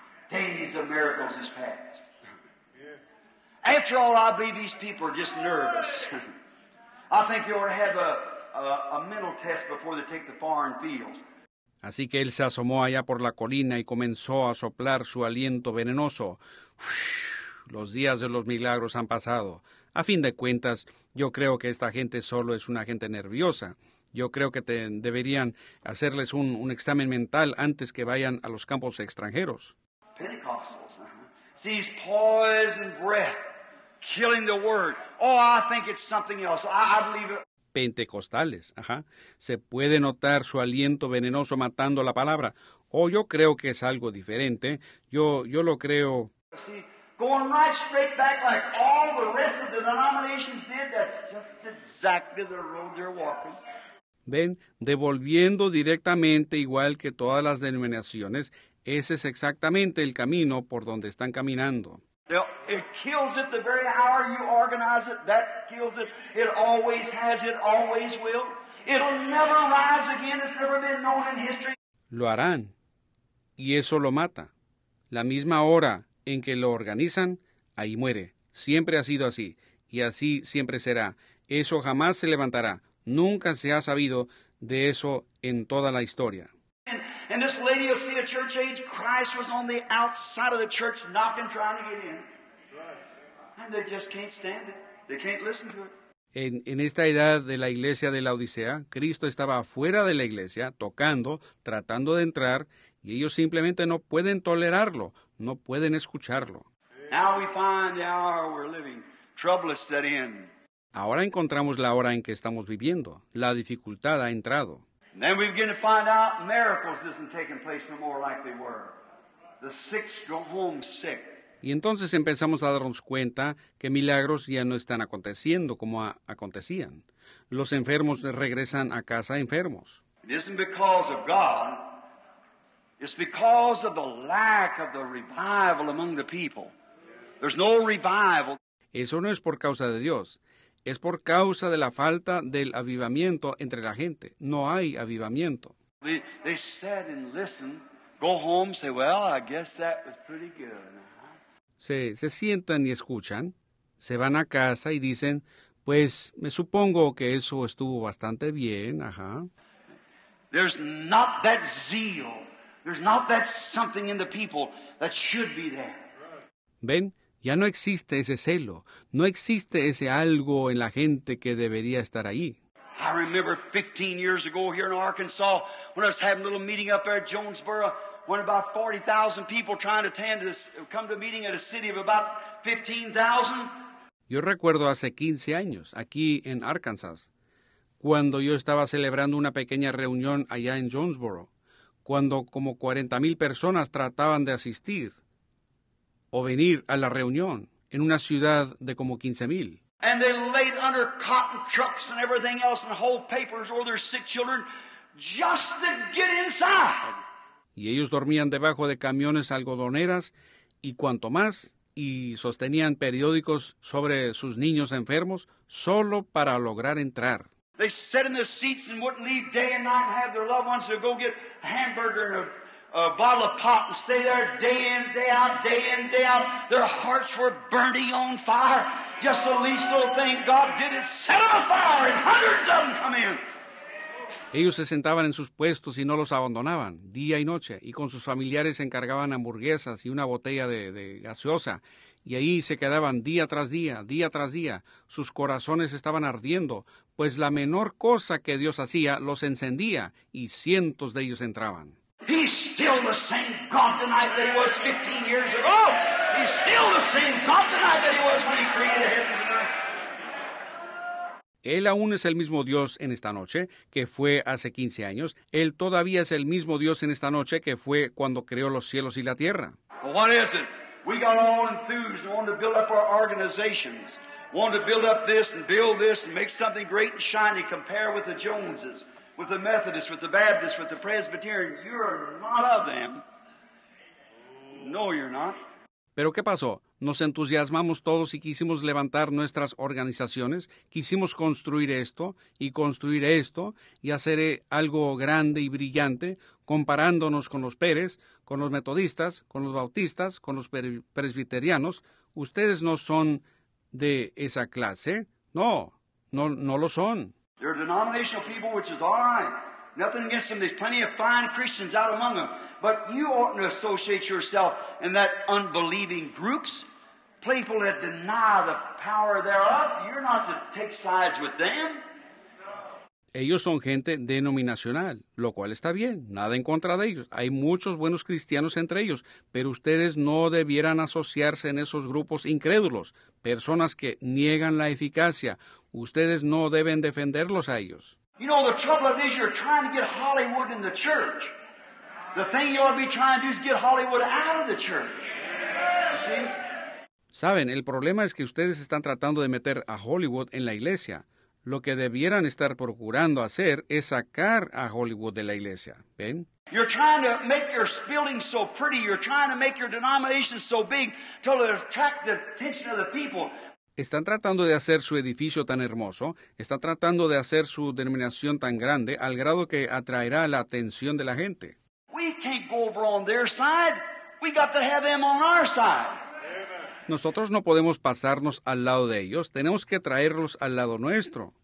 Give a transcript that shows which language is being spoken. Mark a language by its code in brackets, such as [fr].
[en] Days of miracles is past. Yeah. After all, I believe these people are just nervous. I think they ought to have a mental test before they take the foreign fields. [es] Así que él se asomó allá por la colina y comenzó a soplar su aliento venenoso. Los días de los milagros han pasado. A fin de cuentas, yo creo que esta gente solo es una gente nerviosa. Yo creo que deberían hacerles un examen mental antes que vayan a los campos extranjeros. [en] Pentecostals, these poison breath, killing the word. Oh, I think it's something else. I believe it. [es] Pentecostales, ajá. Se puede notar su aliento venenoso matando la palabra. Oh, yo creo que es algo diferente. Yo lo creo. [en] Going right straight back like all the rest of the denominations did, that's just exactly the road they're walking. [es] Ven, devolviendo directamente igual que todas las denominaciones, ese es exactamente el camino por donde están caminando. [en] It kills it the very hour you organize it. That kills it. It always has, it always will. It'll never rise again. It's never been known in history. [es] Lo harán, y eso lo mata. La misma hora en que lo organizan, ahí muere. Siempre ha sido así, y así siempre será. Eso jamás se levantará. Nunca se ha sabido de eso en toda la historia. [en] And this lady will see a church age, Christ was on the outside of the church knocking, trying to get in. Right. And they just can't stand it. They can't listen to it. [es] En esta edad de la iglesia de la Odisea, Cristo estaba afuera de la iglesia, tocando, tratando de entrar, y ellos simplemente no pueden tolerarlo, no pueden escucharlo. [en] Now we find the hour we're living. Trouble has set in. [es] Ahora encontramos la hora en que estamos viviendo. La dificultad ha entrado. [en] And then we begin to find out miracles isn't taking place no more like they were. The sick go home sick. [es] Y entonces empezamos a darnos cuenta que milagros ya no están aconteciendo como acontecían. Los enfermos regresan a casa enfermos. [en] It isn't because of God. It's because of the lack of the revival among the people. There's no revival. [es] Eso no es por causa de Dios. Es por causa de la falta del avivamiento entre la gente. No hay avivamiento. [en] They sat and listened, go home, say, well, I guess that was pretty good. [es] Se sientan y escuchan, se van a casa y dicen, pues, me supongo que eso estuvo bastante bien, ajá. [en] There's not that zeal. There's not that something in the people that should be there. [es] Ven. Ya no existe ese celo, no existe ese algo en la gente que debería estar ahí. [en] I remember 15 years ago here in Arkansas, when I was having a little meeting up there at Jonesboro, when about 40,000 people trying to attend this, come to a meeting at a city of about 15,000. [es] Yo recuerdo hace 15 años, aquí en Arkansas, cuando yo estaba celebrando una pequeña reunión allá en Jonesboro, cuando como 40,000 personas trataban de asistir, o venir a la reunión en una ciudad de como 15,000. [en] And they laid under cotton trucks and everything else and whole papers or their sick children just to get inside. [es] Y ellos dormían debajo de camiones algodoneras y cuanto más, y sostenían periódicos sobre sus niños enfermos solo para lograr entrar. [en] They sat in their seats and wouldn't leave day and night and have their loved ones to go get a hamburger and a bottle of pop and stay there day in, day out, day in, day out. Their hearts were burning on fire. Just the least little thing God did is set them afire and hundreds of them come in. [es] Ellos se sentaban en sus puestos y no los abandonaban, día y noche, y con sus familiares se encargaban hamburguesas y una botella de gaseosa. Y ahí se quedaban día tras día, día tras día. Sus corazones estaban ardiendo, pues la menor cosa que Dios hacía los encendía y cientos de ellos entraban. [en] He's still the same God tonight that he was 15 years ago. He's still the same God tonight that he was when he created heaven and earth. [es] Él aún es el mismo Dios en esta noche que fue hace 15 años. Él todavía es el mismo Dios en esta noche que fue cuando creó los cielos y la tierra. [en] Well, what is it? We got all enthused and wanted to build up our organizations. Wanted to build up this and build this and make something great and shiny compared with the Joneses. With the Methodist, with the Baptist, with the Presbyterian, you're not of them. No, you're not. [es] Pero ¿qué pasó? Nos entusiasmamos todos y quisimos levantar nuestras organizaciones, quisimos construir esto y hacer algo grande y brillante, comparándonos con los Pérez, con los metodistas, con los bautistas, con los presbiterianos. Ustedes no son de esa clase. No, no, no lo son. [en] They're denominational people, which is all right. Nothing against them. There's plenty of fine Christians out among them. But you oughtn't associate yourself in that unbelieving groups. People that deny the power thereof, you're not to take sides with them. [es] Ellos son gente denominacional, lo cual está bien, nada en contra de ellos. Hay muchos buenos cristianos entre ellos, pero ustedes no debieran asociarse en esos grupos incrédulos, personas que niegan la eficacia. Ustedes no deben defenderlos a ellos. [en] You know, the trouble of this, you're trying to get Hollywood in the church. The thing you ought to be trying to do is get Hollywood out of the church. You see? [es] Saben, el problema es que ustedes están tratando de meter a Hollywood en la iglesia. Lo que debieran estar procurando hacer es sacar a Hollywood de la iglesia. ¿Ven? [en] You're trying to make your building so pretty. You're trying to make your denomination so big to attract the attention of the people. [es] Están tratando de hacer su edificio tan hermoso, están tratando de hacer su denominación tan grande al grado que atraerá la atención de la gente. [en] We can't go over on their side. We got to have them on our side. [es] Nosotros no podemos pasarnos al lado de ellos, tenemos que traerlos al lado nuestro.